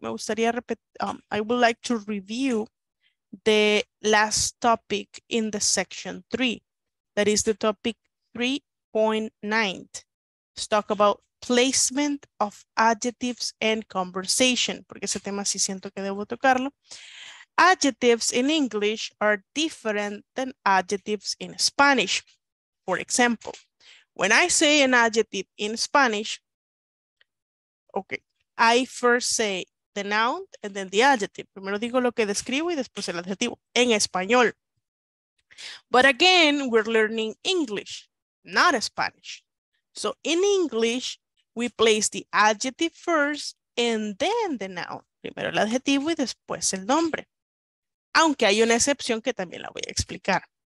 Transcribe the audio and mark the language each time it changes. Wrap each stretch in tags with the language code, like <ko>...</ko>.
<es>Me gustaría</es> <en>I would like to review the last topic in the section three. That is the topic 3.9. Let's talk about placement of adjectives and conversation.</en> <es>Porque ese tema sí siento que debo tocarlo.</es> <en>Adjectives in English are different than adjectives in Spanish. For example, when I say an adjective in Spanish, okay, I first say the noun and then the adjective.</en> <es>Primero digo lo que describo y después el adjetivo en español.</es> <en>But again, we're learning English, not Spanish. So in English, we place the adjective first and then the noun.</en> <es>Primero el adjetivo y después el nombre. Aunque hay una excepción que también la voy a explicar.</es>